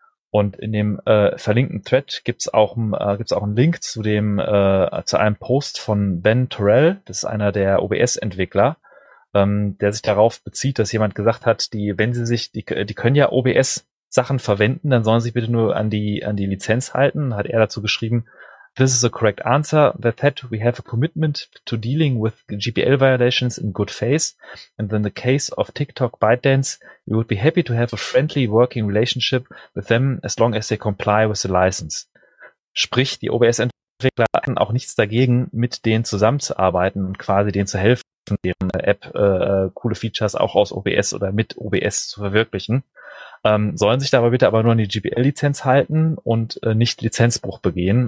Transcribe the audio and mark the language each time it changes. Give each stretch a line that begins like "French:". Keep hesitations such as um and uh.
German: Und in dem äh, verlinkten Thread gibt's auch, äh, gibt's auch einen Link zu dem äh, zu einem Post von Ben Terrell, das ist einer der OBS-Entwickler, ähm, der sich darauf bezieht, dass jemand gesagt hat, die, wenn sie sich, die, die können ja OBS-Sachen verwenden, dann sollen sie bitte nur an die an die Lizenz halten. Hat er dazu geschrieben,
English: This is the correct answer. That that we have a commitment to dealing with GPL violations in good faith. And in the case of TikTok ByteDance, we would be happy to have a friendly working relationship with them as long as they comply with the license.
German: Sprich, die OBS-Entwickler hatten auch nichts dagegen, mit denen zusammenzuarbeiten und quasi denen zu helfen, deren App äh, coole Features auch aus OBS oder mit OBS zu verwirklichen. Ähm, sollen sich dabei bitte aber nur an die GPL-Lizenz halten und äh, nicht Lizenzbruch begehen.